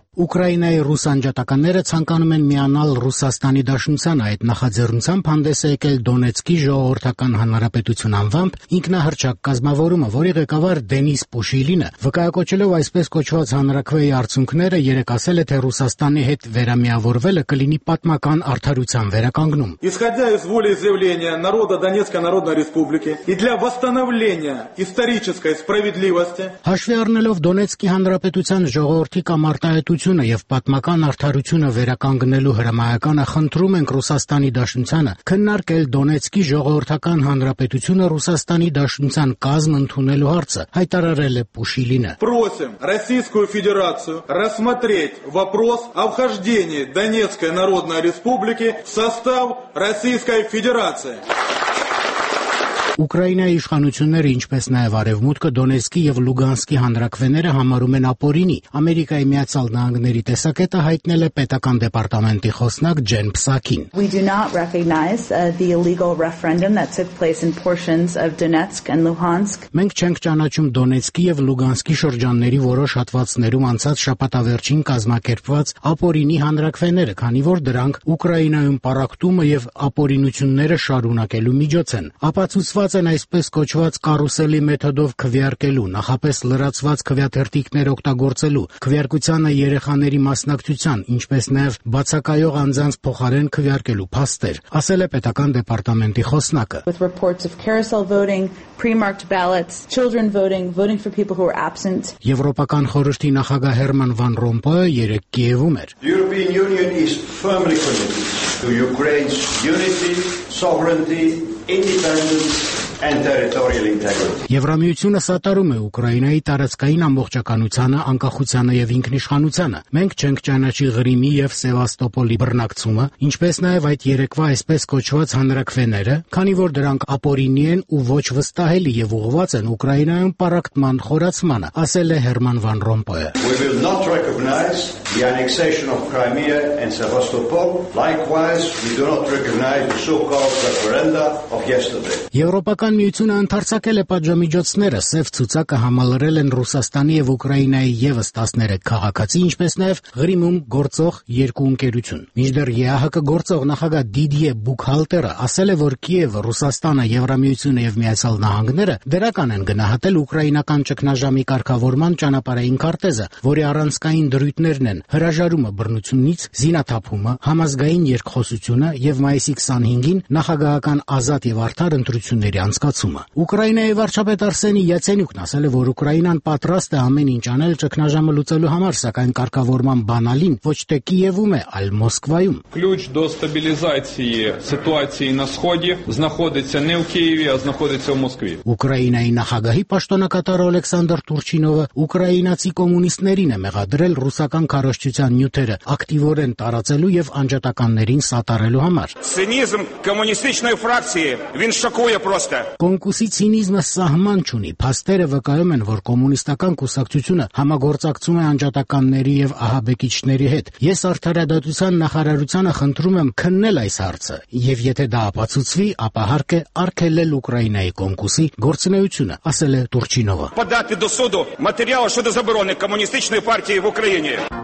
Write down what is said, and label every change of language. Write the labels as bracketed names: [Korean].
[Armenian] Ուկրաինայի ռուս անջատականները ցանկանում են միանալ Ռուսաստանի Դաշնության այդ նախաձեռնությամբ հանդես է եկել Դոնեցկի ժողովրդական հանրապետություն անվամբ ինքնահռչակ կազմավորումը, որի ղեկավար Դենիս Պուշիլինը, վկայակոչելով այսպես կոչված հանրաքվեի արդյունքները, երեկ ասել է, թե Ռուսաստանի հետ վերամիավորվելը կլինի պատմական արդարության վերականգնում։ [Russian] Исходя из волеизъявления народа Донецкой Народной Республики и для восстановления исторической справедливости, [Armenian] հաշվի առնելով Դոնեցկի հանրապետության ժողովրդի կամարտ հայտությունը եւ պատմական արդարությունը վերականգնելու հրամայականը, խնդրում ենք Ռուսաստանի Դաշնությանը քննարկել Դոնեցկի ժողովրդական հանրապետությունը Ռուսաստանի Դաշնության կազմ ընդունելու հարցը, հայտարարել է Պուշիլինը։ [Russian] Просим Российскую Федерацию рассмотреть вопрос о вхождении Донецкой Народной Республики в состав Российской Федерации. [Armenian] Ուկրաինայի իշխանությունները, ինչպես նաև Արևմուտքը, Դոնեցկի և Լուգանսկի հանրաքվեները համարում են ապօրինի։ Ամերիկայի Միացյալ Նահանգների տեսակետը հայտնել է Պետական դեպարտամենտի խոսնակ Ջեն Պսակին։ [English] We do not recognize the illegal referendum that took place in portions of Donetsk and Luhansk. [Armenian] Մենք չենք ճանաչում Դոնեցկի և Լուգանսկի շրջանների որոշ հատվածներում անցած շաբաթավերջին կազմակերպված ապօրինի հանրաքվեները, քանի որ դրանք Ուկրաինայում պարակտումը և ապօրինությունները շարունակելու միջոց են։ Ապացուցված ուղղված են այսպես կոչված կարուսելի մեթոդով քվեարկելու, նախապես լրացված քվեաթերթիկներ օգտագործելու, քվեարկությանը երեխաների մասնակցության, ինչպես նաև բացակայող անձանց փոխարեն քվեարկելու փաստեր, ասել է պետական դեպարտամենտի խոսնակը։ [English] With reports of carousel voting, pre-marked ballots, children voting, voting for people who are absent. [Armenian] Եվրոպական խորհրդի նախագահ Հերման վան Ռոմպոյը երեկ Կիևում էր։ [English] The European Union is firmly committed to Ukraine's unity, sovereignty, independence and territorial integrity. [Armenian] Եվրամիությունը սատարում է Ուկրաինայի տարածքային ամբողջականությանը, անկախությանը եւ ինքնիշխանությանը։ Մենք չենք ճանաչի Ղրիմի եւ Սևաստոպոլի բռնակցումը, ինչպես նաեւ այդ երեքվա այսպես կոչված հանրակվենները, քանի որ դրանք ապօրինի են ու ոչ վստահելի եւ ուղղված են Ուկրաինայում պարակտման խորացմանը, ասել է Հերման վան Ռոմպոյը։ [English] We will not recognize the annexation of Crimea and Sevastopol. Likewise, we do not recognize the so-called referenda of yesterday. [Armenian] Եվրոպական միությունը ընդարձակել է պատժամիջոցները, սև ցուցակը համալրել են Ռուսաստանի եւ Ուկրաինայի եւս 13 քաղաքացի, ինչպես նաեւ Ղրիմում գործող երկու ընկերություն։ Մինչդեռ ԵԱՀԿ-ի գործող նախագահ Դիդիե Բուքհալտերը ասել է, որ Կիևը, Ռուսաստանը, Եվրամիությունը եւ Միացյալ Նահանգները դրական են գնահատել ուկրաինական ճգնաժամի կարգավորման ճանապարհային քարտեզը, որի առանցքային դրույթներն են հրաժարումը բռնությունից, զինաթափումը, համազգային երկխոսությունը եւ մայիսի 25-ին նախագահական ազատ եւ արդար ընտրությունների անցկացումը։ Ուկրաինայի վարչապետ Արսենի Յացենյուկն ասել է, որ Ուկրաինան պատրաստ է ամեն ինչ անել ճգնաժամը լուծելու համար, սակայն կարգավորման բանալին ոչ թե Կիևում է, այլ Մոսկվայում։ [Ukrainian] Ключ до стабілізації ситуації на сході знаходиться не в Києві, а знаходиться в Москві. [Armenian] Ուկրաինայի նախագահի պաշտոնակատար Օլեքսանդր Տուրչինովը ուկրաինացի կոմունիստերին է մեղադրել ռուսական քարոշչության նյութերը ակտիվորեն տարածելու եւ անջատականներին սատարելու համար։ [Ukrainian] Սինիզմ коммунистичної фракції він шокує просто. [Armenian] Կոնկուսի ցինիզմը սահման չունի։ Փաստերը վկայում են, որ կոմունիստական կուսակցությունը համագործակցում է անջատականների եւ ահաբեկիչների հետ։ Ես արդարադատության նախարարությանը խնդրում եմ քննել այս հարցը, եւ եթե դա ապացուցվի, ապա հարկը արգելել Ուկրաինայի կոնկուսի գործնեությունը, ասել է Տուրչինովը։ [Ukrainian] Подати до суду матеріали щодо заборони комуністичної партії в Україні.